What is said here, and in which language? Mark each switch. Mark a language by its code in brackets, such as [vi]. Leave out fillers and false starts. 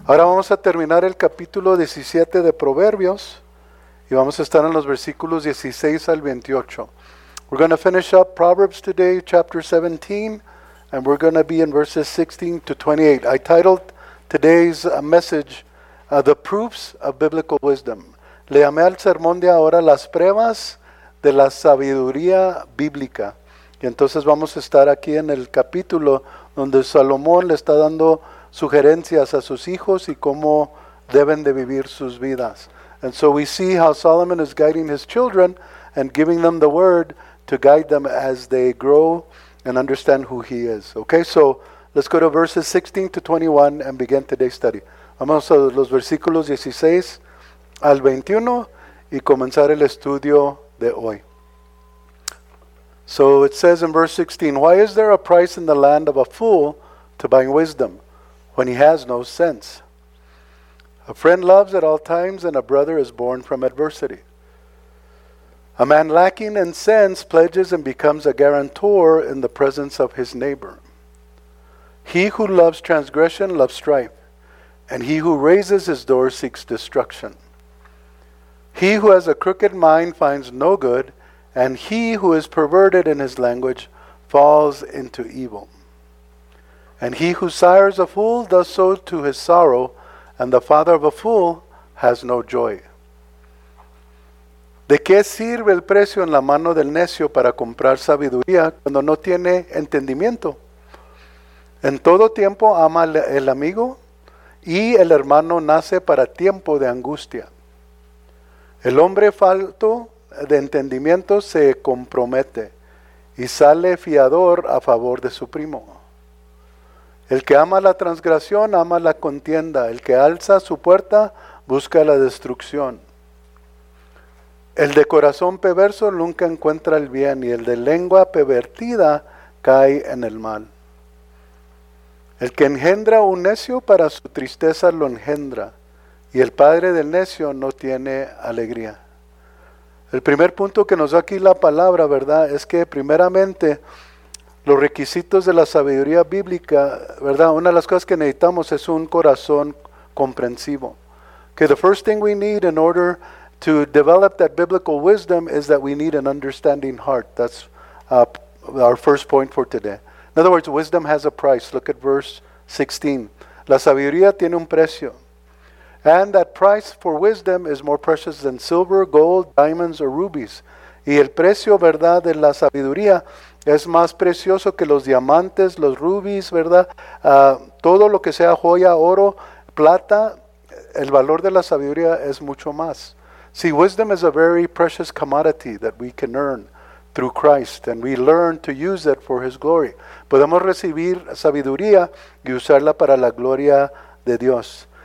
[es] Ahora vamos a terminar el capítulo 17 de Proverbios y vamos a estar en los versículos 16 al 28. [en] We're going to finish up Proverbs today, chapter 17, and we're going to be in verses 16 to 28. I titled today's message, The Proofs of Biblical Wisdom. [es] Le llamé al sermón de ahora las pruebas de la sabiduría bíblica. Y entonces vamos a estar aquí en el capítulo donde Salomón le está dando sugerencias a sus hijos y cómo deben de vivir sus vidas. [en] And so we see how Solomon is guiding his children and giving them the word to guide them as they grow and understand who he is. Okay, so let's go to verses 16 to 21 and begin today's study. [es] Vamos a los versículos 16 al 21 y comenzar el estudio de hoy. [en] So it says in verse 16, why is there a price in the land of a fool to buy wisdom when he has no sense? A friend loves at all times, and a brother is born from adversity. A man lacking in sense pledges and becomes a guarantor in the presence of his neighbor. He who loves transgression loves strife, and he who raises his door seeks destruction. He who has a crooked mind finds no good, and he who is perverted in his language falls into evil. And he who sires a fool does so to his sorrow, and the father of a fool has no joy. [es] ¿De qué sirve el precio en la mano del necio para comprar sabiduría cuando no tiene entendimiento? En todo tiempo ama el amigo, y el hermano nace para tiempo de angustia. El hombre falto de entendimiento se compromete y sale fiador a favor de su primo. El que ama la transgresión ama la contienda. El que alza su puerta busca la destrucción. El de corazón perverso nunca encuentra el bien, y el de lengua pervertida cae en el mal. El que engendra un necio para su tristeza lo engendra, y el padre del necio no tiene alegría. El primer punto que nos da aquí la palabra, ¿verdad?, es que primeramente los requisitos de la sabiduría bíblica, ¿verdad?, una de las cosas que necesitamos es un corazón comprensivo. [en] Que the first thing we need in order to develop that biblical wisdom is that we need an understanding heart. That's our first point for today. In other words, wisdom has a price. Look at verse 16. [es] La sabiduría tiene un precio. [en] And that price for wisdom is more precious than silver, gold, diamonds, or rubies. [es] Y el precio, ¿verdad?, de la sabiduría es más precioso que los diamantes, los rubies, ¿verdad? Todo lo que sea joya, oro, plata, el valor de la sabiduría es mucho más. [en] See, wisdom is a very precious commodity that we can earn through Christ, and we learn to use it for his glory. [es] Podemos recibir sabiduría y usarla para la gloria de Dios.